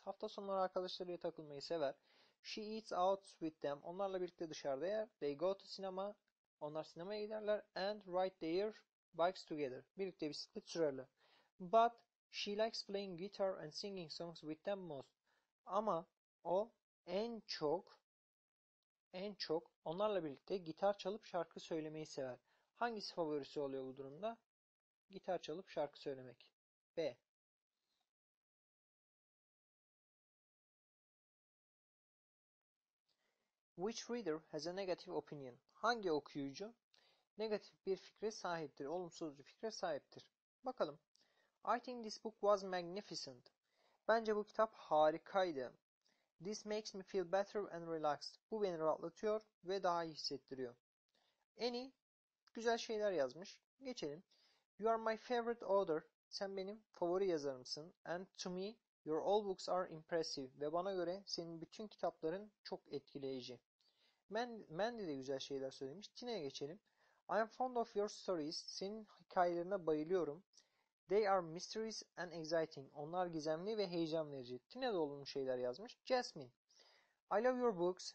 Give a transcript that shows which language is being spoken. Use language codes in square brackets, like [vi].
[tr] Hafta sonları arkadaşlarıyla takılmayı sever. [en] She eats out with them. [tr] Onlarla birlikte dışarıda yer. [en] They go to cinema. [tr] Onlar sinemaya giderler. [en] And ride their bikes together. [tr] Birlikte bisiklet sürerler. [en] But she likes playing guitar and singing songs with them most. [tr] Ama o en çok onlarla birlikte gitar çalıp şarkı söylemeyi sever. Hangisi favorisi oluyor bu durumda? Gitar çalıp şarkı söylemek. B. [en] Which reader has a negative opinion? [tr] Hangi okuyucu negatif bir fikre sahiptir, olumsuz bir fikre sahiptir? [en] Bakalım. I think this book was magnificent. [tr] Bence bu kitap harikaydı. [en] This makes me feel better and relaxed. [tr] Bu beni rahatlatıyor ve daha iyi hissettiriyor. Annie güzel şeyler yazmış. Geçelim. [en] You are my favorite author. [tr] Sen benim favori yazarımsın. [en] And to me, your all books are impressive. [tr] Ve bana göre senin bütün kitapların çok etkileyici. Mandy de güzel şeyler söylemiş. Tina'ya geçelim. [en] I am fond of your stories. [tr] Senin hikayelerine bayılıyorum. [en] They are mysterious and exciting. [tr] Onlar gizemli ve heyecan verici. Tine de olumlu şeyler yazmış. Jasmine. [en] I love your books.